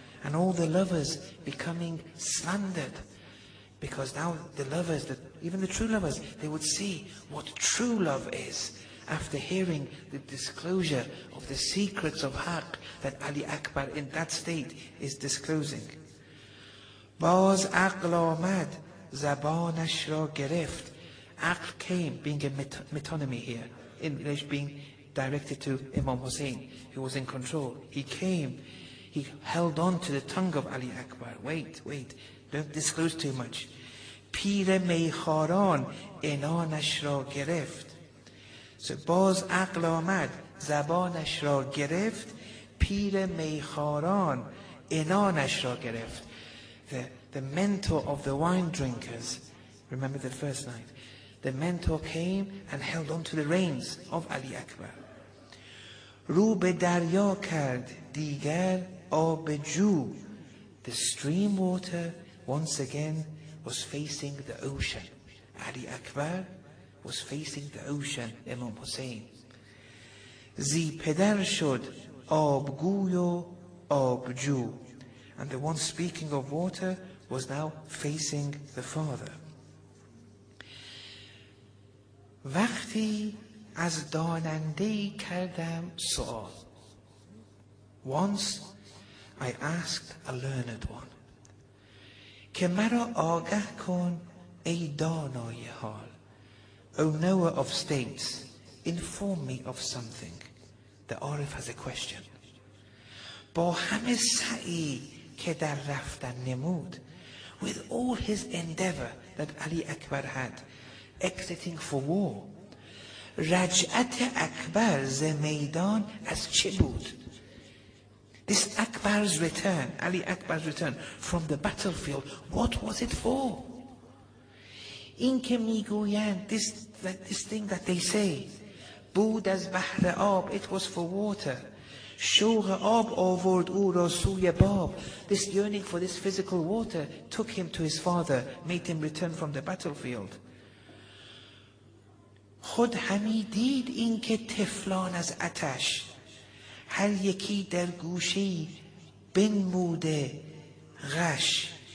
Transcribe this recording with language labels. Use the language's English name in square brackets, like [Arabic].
[English] And all the lovers becoming slandered. Because now the lovers, even the true lovers, they would see what true love is after hearing the disclosure of the secrets of Haq that Ali Akbar in that state is disclosing. [Persian] باز عقل آمد زبانش را گرفت. [English] عقل came, being a metonymy here, in English being directed to Imam Hussein, who was in control. He came, he held on to the tongue of Ali Akbar. Wait, don't disclose too much. [Persian] پیر میخاران عنانش را گرفت. So باز عقل آمد زبانش را گرفت. پیر میخاران عنانش را گرفت. [English] The mentor of the wine drinkers, remember the first night, the mentor came and held on to the reins of Ali Akbar. [Persian] رو به دریا کرد دیگر آب جو. [English] The stream water once again was facing the ocean. Ali Akbar was facing the ocean, Imam Hussein. [Persian] زی پدر شد آبگوی و آبجو. [English] And the one speaking of water was now facing the father. [Persian] وقتی از داننده کردم سوال. [English] Once I asked a learned one. [Persian] که مرا آگه کن ای دانای حال. [English] O knower of states, inform me of something. The Arif has a question. [Persian] با همه سعی که در رفتن نمود. [English] With all his endeavor that Ali Akbar had, exiting for war. [Persian] رجعت اکبر ز میدان از چه بود؟ [English] This Akbar's return, Ali Akbar's return from the battlefield, what was it for? [Persian] این که میگویند [English] this thing that they say [Persian] بود از بحر آب. [English] It was for water. [Persian] شوق آب آورد او را سوی باب. [English] This yearning for this physical water took him to his father, made him return from the battlefield. [Persian] خود همی دید این که طفلان از آتش هر یکی در گوشه بنموده غش.